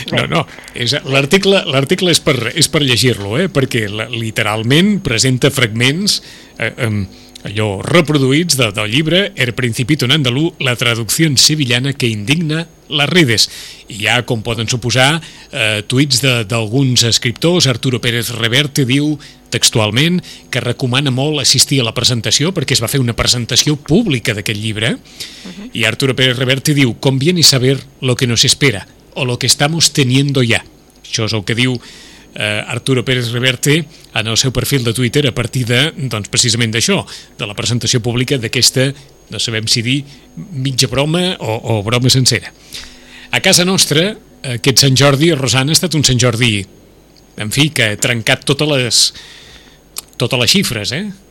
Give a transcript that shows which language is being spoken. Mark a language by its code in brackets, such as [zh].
[ca] No, l'article és per llegir-lo, perquè literalment presenta fragments allò reproduïts del llibre El Principito en andalú, la traducció sevillana que indigna les redes. I ja, com poden suposar, tuits d'alguns escriptors, Arturo Pérez Reverte diu textualment que recomana molt assistir a la presentació perquè es va fer una presentació pública d'aquest llibre. [es] I Arturo Pérez Reverte diu: conviene saber lo que nos espera o lo que estamos teniendo ya. [ca] Això és el que diu Arturo Pérez Reverte en el seu perfil de Twitter a partir de, doncs, precisament d'això, de la presentació pública d'aquesta, no sabem si dir mitja broma o broma sencera. A casa nostra, aquest Sant Jordi, Rosana, ha estat un Sant Jordi, en fi, que ha trencat totes les xifres, eh?